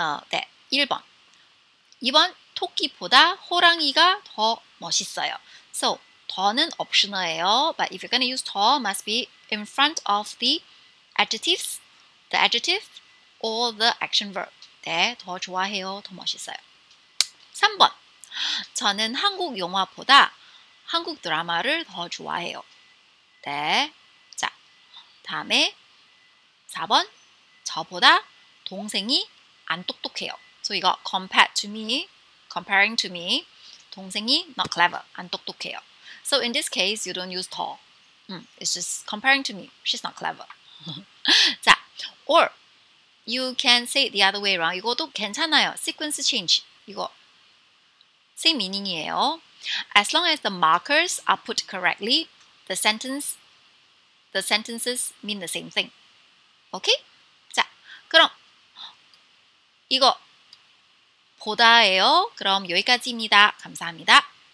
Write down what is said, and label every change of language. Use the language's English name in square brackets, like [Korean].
[Korean] 네, 1번. 2번, 토끼보다 호랑이가 더 멋있어요. So, 더는 optional예요. [English] But if you're going to use 더, must be in front of the adjectives, the adjective or the action verb. [Korean] 네, 더 좋아해요, 더 멋있어요. 3번, 저는 한국 영화보다 한국 드라마를 더 좋아해요. 네, 자, 다음에 4번, 저보다 동생이 안 똑똑해요. [English] So 이거 compare to me, comparing to me, 동생이 not clever, [Korean] 안 똑똑해요. [English] So in this case, you don't use 더. It's just comparing to me, she's not clever. 자, or you can say the other way around. [Korean] 이것도 괜찮아요. [English] Sequence change, [Korean] 이거 same meaning이에요. [English] As long as the markers are put correctly, the sentences mean the same thing. Okay? [Korean] 자, 그럼 이거 보다예요. 그럼 여기까지입니다. 감사합니다.